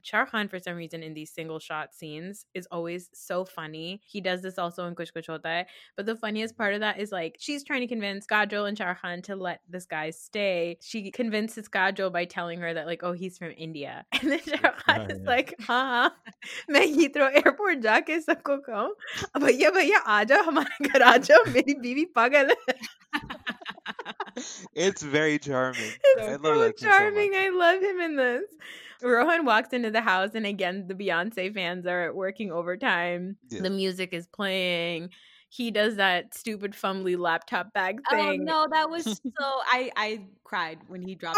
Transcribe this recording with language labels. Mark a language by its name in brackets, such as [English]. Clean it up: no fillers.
[English] Shah Rukh, for some reason, in these single shot scenes, is always so funny. He does this also in Kuch Kuch Hota Hai. But the funniest part of that is like she's trying to convince Kajol and Shah Rukh to let this guy stay. She convinces Kajol by telling her that, like, oh, he's from India. And then Shah Rukh is like, huh? [Hindi] मैं Heathrow Airport जाके सबको कहूँ। भैया, भैया, आजो हमारे घर आजो। मेरी बीवी पागल है। [English] It's very charming. I love him in this. Rohan walks into the house, and again, the Beyonce fans are working overtime. Yeah. The music is playing. He does that stupid fumbly laptop bag thing. Oh no, that was so. I cried when he dropped.